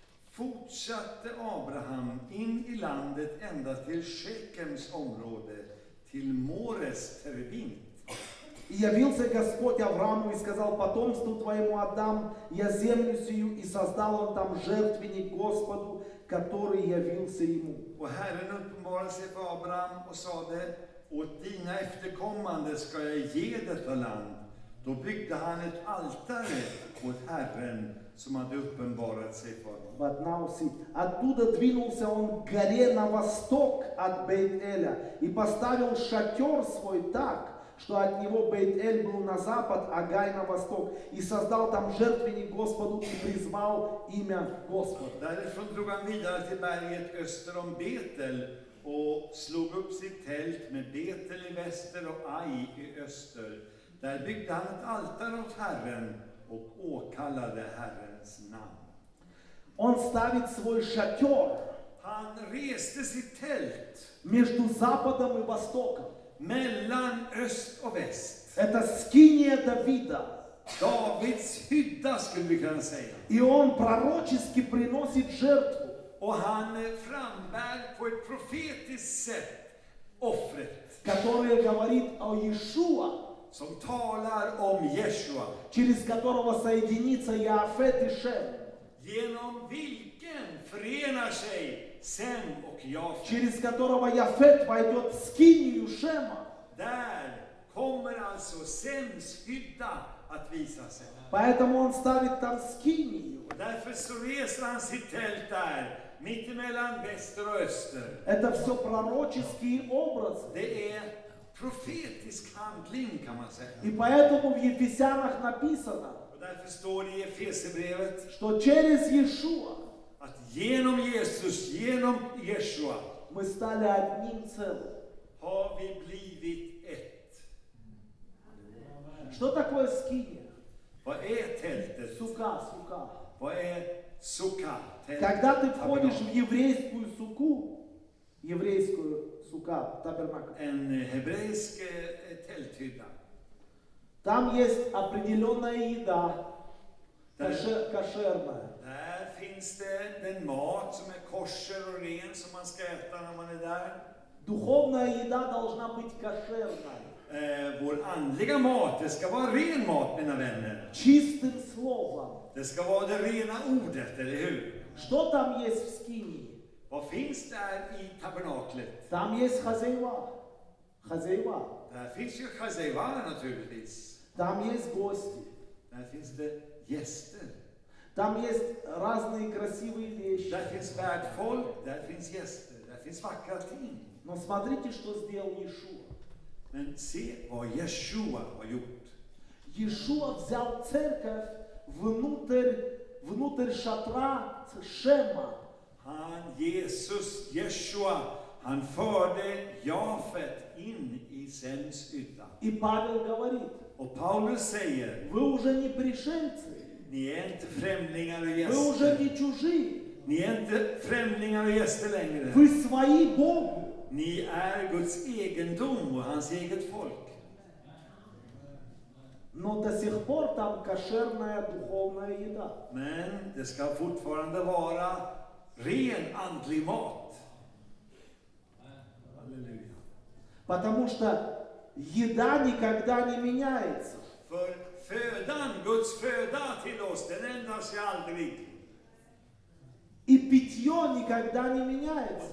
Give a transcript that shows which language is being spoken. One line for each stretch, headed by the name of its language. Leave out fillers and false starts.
Swedish: Fortsatte Abraham in i landet ända till Shekems område, till Mores terebint.
Russian: И явился Господь Аврааму и сказал: потомству твоему отдам я землю сию, и создал он там жертвенник Господу, который явился ему.
Swedish: Och Herren uppenbarade sig för Abraham och sade: åt dina efterkommande ska jag ge detta land. Då byggde han ett altare åt Herren som hade uppenbarat sig för honom.
English: But now see,
Russian: оттуда двинулся он к горе на восток от Бейт-Эля и поставил шатер свой так, что от него Бейт-Эль был на запад, а Гай на восток, и создал там жертвенник Господу и призвал имя Господа.
Swedish: Därifrån drog han vidare till berget öster om Betel och slog upp sitt tält med Betel i väster och Ai i öster. Där byggde han ett altar åt Herren och åkallade Herrens namn.
Russian: Он ставит свой шатер.
Swedish: Han reste sitt tält
Russian: между западом и востоком.
Swedish: Mellan öst och väst.
Russian: Это скиния Давида.
Swedish: Davids hydda skulle vi kunna säga.
Russian: И он пророчески приносит жертву.
Swedish: Och han frambär på ett profetiskt sätt offret.
Russian: Которое говорит о Иешуа.
Swedish: Som talar om Иешуа.
Russian: Через которого соединится Яафет и Шем.
Swedish: Genom vilken förenar sig Sem och Jafet.
Russian: Через которого Яфет войдет в скинию Шема.
Swedish: Där kommer alltså Sems hydda att visa sig.
Russian: Поэтому он ставит там скинию.
Swedish: Därför så reser han sitt tält där, mitt emellan väster och öster.
Russian: Это все пророческий образ.
Swedish: Det är profetisk handling kan man säga.
Russian: И поэтому в Ефесянах написано.
Swedish: Och därför står det i Efesierbrevet.
Russian: Что через Иешуа.
Swedish: Att genom Jesus, genom Yeshua,
Russian: мы стали одним целым.
Swedish: Har vi blivit ett.
Russian: Что такое скиния?
Swedish: Vad är tältet?
Russian: Сука, сука.
Swedish: Vad är сука? Тält.
Russian: Когда ты входишь в еврейскую суку, еврейскую сука, табернакль.
Swedish: En hebreisk tälthydda.
Russian: Там есть определенная еда. Кошерная.
Swedish: Där finns det den mat som är kosher och ren som man ska äta när man är där.
Russian: Духовная еда должна быть кошерной.
Swedish: Vår andliga mat, det ska vara ren mat, mina vänner.
Russian: Чистым словом.
Swedish: Det ska vara det rena ordet, eller hur?
Russian: Что там есть в скинии?
Swedish: Vad finns där i tabernaklet?
Russian: Там есть хозяева. Хозяева.
Swedish: Där finns ju
Russian: хозяева,
Swedish: naturligtvis.
Russian: Там есть гости.
Swedish: Där finns det gäster.
Russian: Там есть разные красивые вещи.
Swedish: Da finns bad folk, da finns gäster, da finns vackra ting.
Russian: Но смотрите, что сделал Иешуа.
Swedish: Men se vad Yeshua har gjort.
Russian: Иешуа взял церковь внутрь шатра Шема.
Swedish: Han, Jesus, Yeshua, han förde Jafet in i Sems ytta.
Russian: И Павел говорит.
Swedish: Och Paulus säger.
Russian: Вы уже не пришельцы.
Swedish: Ni är inte främlingar och gäster.
Russian: Вы уже не чужие.
Swedish: Ni är inte främlingar och gäster längre.
Russian: Вы свои Богу.
Swedish: Ni är Guds egendom och hans eget folk.
Russian: Но до сих пор там кошерная духовная еда.
Swedish: Men det ska fortfarande vara ren andlig mat. Halleluja.
Russian: Потому что еда никогда не меняется.
Swedish: För födan, Guds föda till oss, den ändras aldrig.
Russian: И питье никогда не меняется.